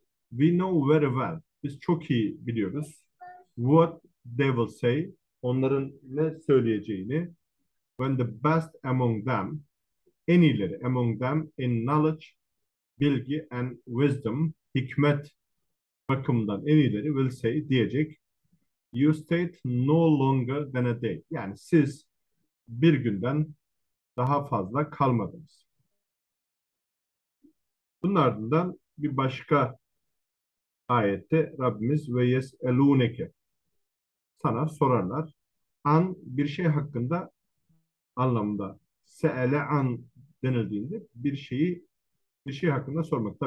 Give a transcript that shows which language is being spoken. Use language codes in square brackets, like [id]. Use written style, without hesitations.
[en] We know very well, [tr] biz çok iyi biliyoruz. [en] What they will say, [tr] onların ne söyleyeceğini. [en] When the best among them, [tr] en iyileri [en] among them in knowledge, bilgi and wisdom, [tr] hikmet bakımından en iyileri [en] will say, [tr] diyecek. [en] You stayed no longer than a day. [tr] Yani siz bir günden daha fazla kalmadınız. Bunun ardından bir başka ayette Rabbimiz ve yes'elûneke, sana sorarlar. An bir şey hakkında anlamında. Se'ele an denildiğinde bir şey hakkında sormak.